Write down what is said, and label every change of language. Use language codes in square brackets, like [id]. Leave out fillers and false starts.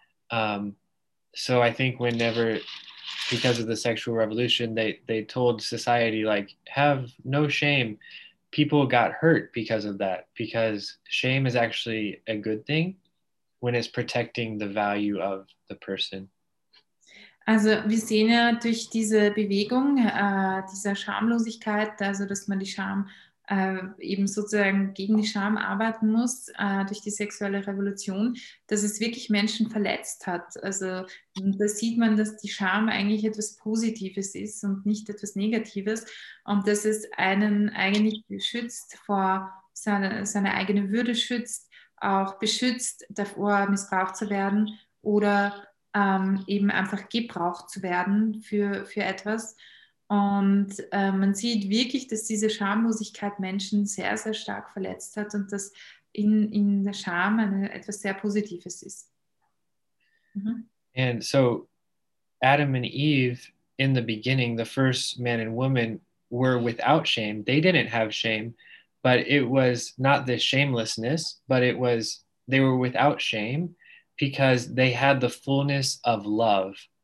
[en] So I think whenever, because of the sexual revolution, they told society, like, have no shame. People got hurt because of that, because shame is actually a good thing when it's protecting the value of the person. [de] Also wir sehen ja durch diese Bewegung dieser Schamlosigkeit, also dass man die Scham eben sozusagen gegen die Scham arbeiten muss, durch die sexuelle Revolution, dass es wirklich Menschen verletzt hat. Also da sieht man, dass die Scham eigentlich etwas Positives ist und nicht etwas Negatives und dass es einen eigentlich schützt, vor seine eigene Würde schützt, auch beschützt davor, missbraucht zu werden oder eben einfach gebraucht zu werden für etwas. Und man sieht wirklich, dass diese Schamlosigkeit Menschen sehr, sehr stark verletzt hat und dass in der Scham etwas sehr Positives ist. Mhm. [en] And so Adam and Eve in the beginning, the first man and woman, were without shame. They didn't have shame, but it was not the shamelessness, but it was, they were without shame because they had the fullness of love.